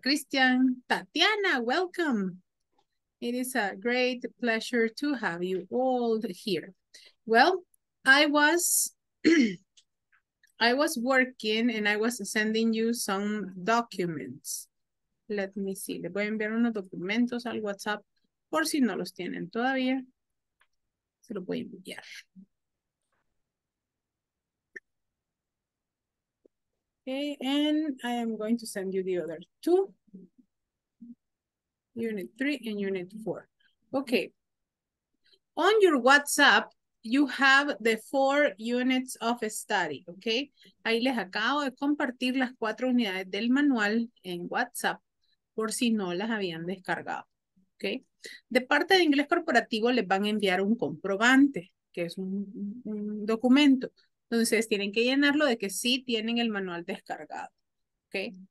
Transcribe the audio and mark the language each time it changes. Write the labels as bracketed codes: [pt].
[en] Christian, Tatiana, welcome. It is a great pleasure to have you all here. Well, I was working and I was sending you some documents. Let me see. [es] Les voy a enviar unos documentos al WhatsApp por si no los tienen todavía. Se los voy a enviar. [en] Okay, and I am going to send you the other two. Unit 3 and Unit 4. Okay. On your WhatsApp, you have the 4 units of study, okay? [es] Ahí les acabo de compartir las 4 unidades del manual en WhatsApp por si no las habían descargado, okay? De parte de Inglés Corporativo les van a enviar un comprobante, que es un documento. Entonces tienen que llenarlo de que sí tienen el manual descargado, okay?